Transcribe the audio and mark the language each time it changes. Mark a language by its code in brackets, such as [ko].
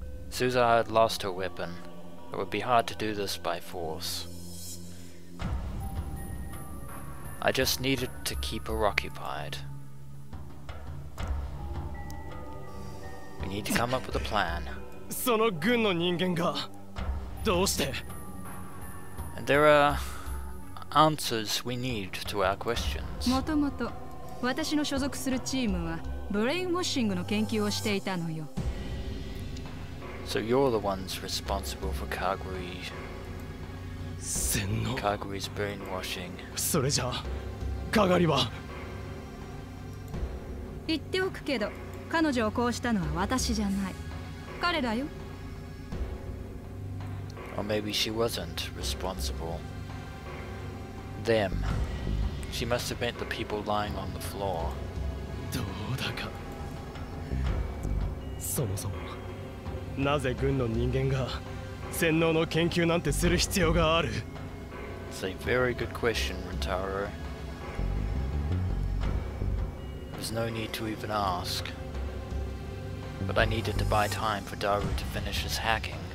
[en] Suzuha had lost her weapon. It would be hard to do this by force. I just needed to keep her occupied. We need to come up with a plan. [ja] その軍の人間がどうして? [en] There are answers we need to our questions. [ja] もともと、私の所属するチームはブレインウォッシングの研究をしていたのよ。 [en] So you're the ones responsible for Kagori. [ja] 洗脳? [en] Kagori's brainwashing. [ja] それじゃ、カガリは。言っておくけど、彼女をこうしたのは私じゃない。彼らよ。 [en] Or maybe she wasn't responsible. Them. She must have meant the people lying on the floor. [ja] どうだか。そもそも、なぜ軍の人間が洗脳の研究なんてする必要がある? [en] It's a very good question, Rintaro. There's no need to even ask. But I needed to buy time for Daru to finish his hacking.